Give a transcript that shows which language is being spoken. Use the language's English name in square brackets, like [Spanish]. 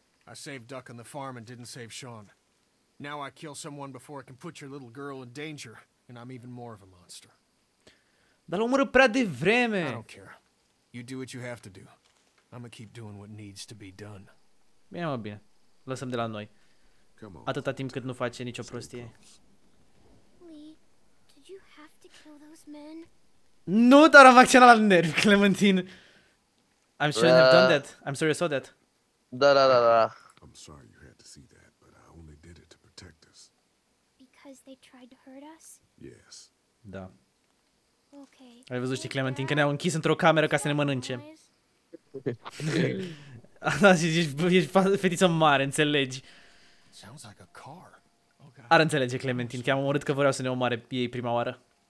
[English] I saved Duck on the farm and didn't save Sean. Now I kill someone before I can put your little girl in danger, and I'm even more of a monster. [Romanian] Dar l-o omoră prea devreme. [English] I don't care. You do what you have to do. I'm gonna keep doing what needs to be done. [Romanian] Bine, mă, bine. Lăsăm de la noi. Atâta timp cât nu face nicio prostie. [English] Lee, did you have to kill those men? [Romanian] Nu, dar am acționat la nervi, Clementine. [English] I'm sure you have done that. I'm sure you saw that. [Romanian] Da. [English] I'm sorry you had to see that, but I only did it to protect us. Because they tried to hurt us? Yes. [Romanian] Da. [English] Okay. [Romanian] Ai văzut, știi, Clementine, că ne-au închis într-o cameră ca să ne mănânce. Da, ești fetiță mare, înțelegi. [English] Sounds like a car. Okay. [Romanian] Ar înțelege, Clementine, că am omorât că vreau să ne omoare ei prima oară.